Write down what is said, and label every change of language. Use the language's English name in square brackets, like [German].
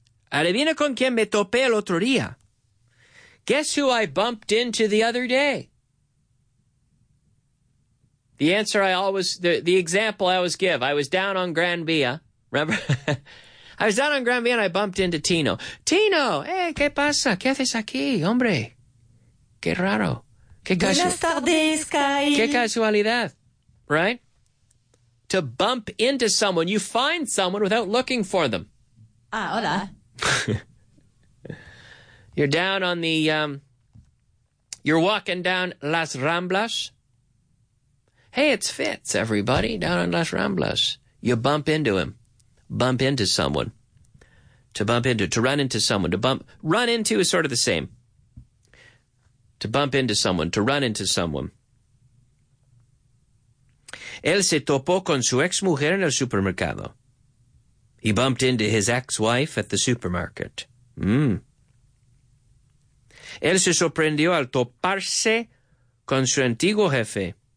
[Spanish] Adivina con quien me topé el otro día. [English] Guess who I bumped into the other day? The example I always give, I was down on Gran Vía. Remember? I was down on Gran Vía and I bumped into Tino. Tino, hey, [Spanish] ¿qué pasa? ¿Qué haces aquí, hombre? Qué raro. Qué casualidad. Buenas tardes, Kyle. Qué casualidad. [English] Right? To bump into someone. You find someone without looking for them. [Spanish] Ah, hola. [English] You're down on the you're walking down Las Ramblas. Hey, it's Fitz, everybody, down on Las Ramblas. You bump into him. Bump into someone. To bump into, to run into someone. To bump, run into is sort of the same. To bump into someone, to run into someone. [Spanish] Él se topó con su ex mujer en el supermercado. [English] He bumped into his ex-wife at the supermarket. [Spanish] Él se sorprendió al toparse con su antiguo jefe.